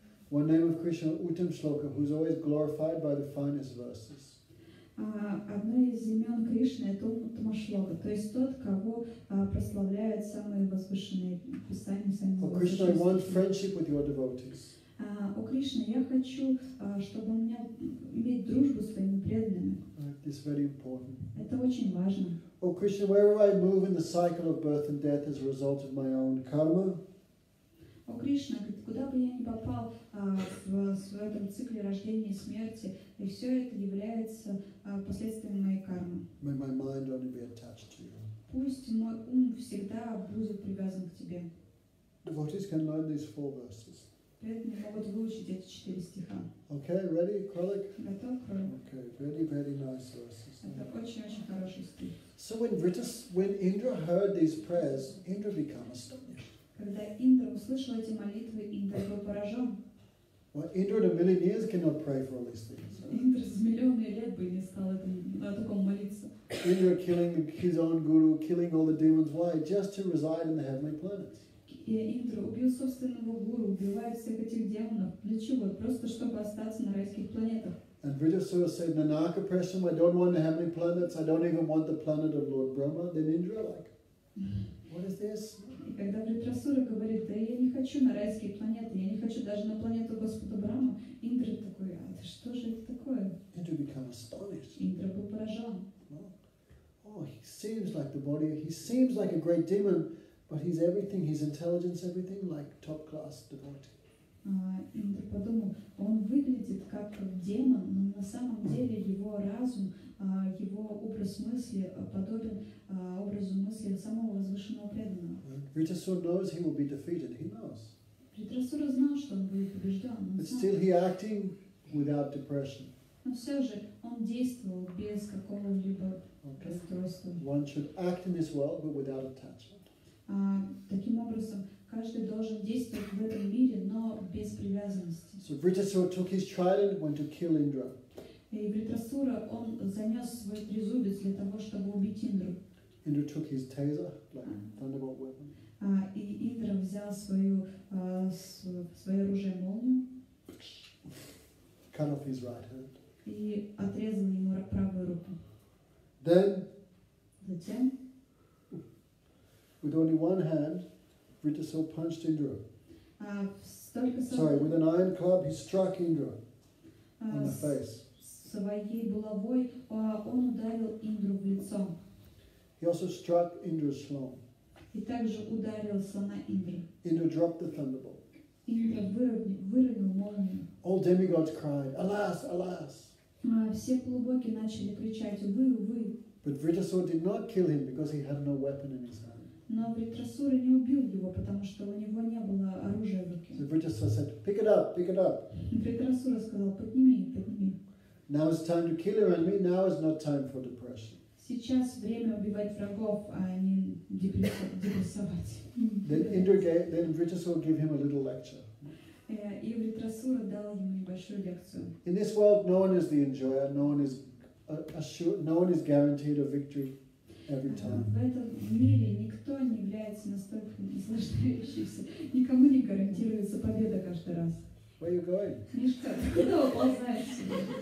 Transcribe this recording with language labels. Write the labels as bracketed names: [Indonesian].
[English] One name of Krishna, Uttam Shloka, who's always glorified by the finest verses. [Russian] Одно из имен Кришны это Uttama Shloka, то есть тот, кого прославляют самые возвышенные писания. [English] О Кришна, I want friendship with your devotees. [Russian] О Кришна, я хочу, чтобы у меня иметь дружбу с твоими преданными. [English] This is very important. [Russian] Это очень важно. [English] О Кришна, wherever I move in the cycle of birth and death as a result of my own karma. [Russian] О Кришна, куда бы я ни попал в этом цикле рождения и смерти, и все это является последствиями моей кармы. [English] May my mind only be attached to you. [Russian] Пусть мой ум всегда будет привязан к тебе. [English] Devotees can learn these four verses. [Russian] Преданные могут выучить эти четыре стиха. [English] Okay, ready, Kralik? [Russian] Готов, Kralik? [English] Okay, very, very nice verses. [Russian] Это очень-очень хороший стих. [English] So when Indra heard these prayers, Indra became astonished. [Russian] Когда Индра услышал эти молитвы, Индра был поражен. [English] Well, Indra in a million years cannot pray for all these things. [Russian] Индра за миллионы лет бы не стал о таком молиться. [English] Indra killing his own guru, killing all the demons. Why? Just to reside in the heavenly planets. [Russian] Индра убил собственного гуру, убивая всех этих демонов. Для чего? Просто чтобы остаться на райских планетах. [English] And Vritasura said, Nanaka Prasham, I don't want the heavenly planets, I don't even want the planet of Lord Brahma. Then Indra like, what is this? [Russian] когда Вритрасура говорит, да я не хочу на райские планеты, я не хочу даже на планету Господа Брама, Индра такой, а это что же это такое? [English] Indra became astonished. [Russian] Индра был поражен. [English] Oh, he seems like the body, he seems like a great demon, but he's everything, his intelligence, everything, like top class devotee. [Russian] Индра подумал, он выглядит как демон, но на самом деле его разум, его образ мысли подобен образу мысли самого возвышенного преданного. [English] Ритасура knows he will be defeated. He knows. [Russian] Ритасура знал, что он будет побежден. [English] But still he acting without depression. [Russian] Но все же он действовал без какого-либо расстройства. [English] One should act in this world, but without attachment. [Russian] Таким образом. Каждый должен действовать в этом мире, но без привязанности. [English] So Vritasura took his trident, went to kill Indra. [Russian] И Вритрасура, он занес свой трезубец для того, чтобы убить Индру. [English] Indra took his taser, like thunderbolt weapon. [Russian] И Индра взял свою свое оружие молнию. [English] Cut off his right hand. [Russian] И отрезал ему правую руку. [English] Then. [Russian] Затем. [English] With only one hand. Vritasur punched Indra. Sorry, with an iron club he struck Indra on the face. [Russian] Своей булавой он ударил Индру в лицо. [English] He also struck Indra's slung. [Russian] И также ударил слона Индры. [English] Indra dropped the thunderbolt. [Russian] Индра выронил молнию. [English] All demigods cried, "Alas, alas!" [Russian] Все полубоги начали кричать, "Увы, увы!" [English] But Vritasur did not kill him because he had no weapon in his hand. [Russian] Но Вритрасура не убил его, потому что у него не было оружия в руке. [English] Вритрасура said, "Pick it up, pick it up." [Russian] Вритрасура сказал, "Подними, подними." [English] Now it's time to kill your enemy. Now is not time for depression. [Russian] Сейчас время убивать врагов, а не депрессовать. [English] Then Вритрасура gave him a little lecture. [Russian] И Вритрасура дал ему небольшую лекцию. [English] In this world, no one is the enjoyer. No one is assured. No one is guaranteed a victory. Every time. [Russian] В этом мире никто не является настолько наслаждающимся. Никому не гарантируется победа каждый раз. [English] Where are you going? [Russian] Мишка, ты куда уползаешь себе?